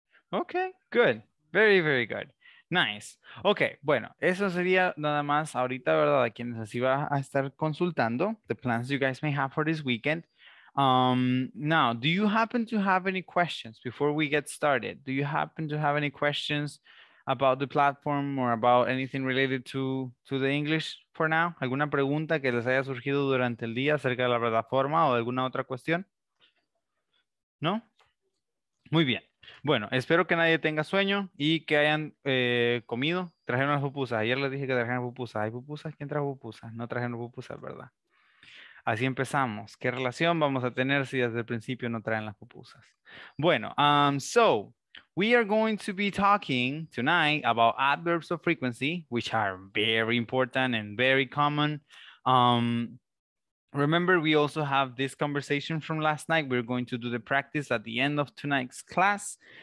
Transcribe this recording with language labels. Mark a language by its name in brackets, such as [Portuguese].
[English] Okay, good. Very, very good. Nice. Okay, [Spanish] bueno, eso sería nada más ahorita, ¿verdad? A quienes así va a estar consultando, [English] the plans you guys may have for this weekend. Now, do you happen to have any questions before we get started? Do you happen to have any questions about the platform or about anything related to the English for now? [Spanish] ¿Alguna pregunta que les haya surgido durante el día acerca de la plataforma o alguna otra cuestión? ¿No? Muy bien. Bueno, espero que nadie tenga sueño y que hayan comido. Trajeron las pupusas. Ayer les dije que trajeron pupusas. ¿Hay pupusas? ¿Quién trajo pupusas? No trajeron pupusas, ¿verdad? Así empezamos. ¿Qué relación vamos a tener si desde el principio no traen las pupusas? [English] Bueno, so we are going to be talking tonight about adverbs of frequency, which are very important and very common. Remember, we also have this conversation from last night. We're going to do the practice at the end of tonight's class.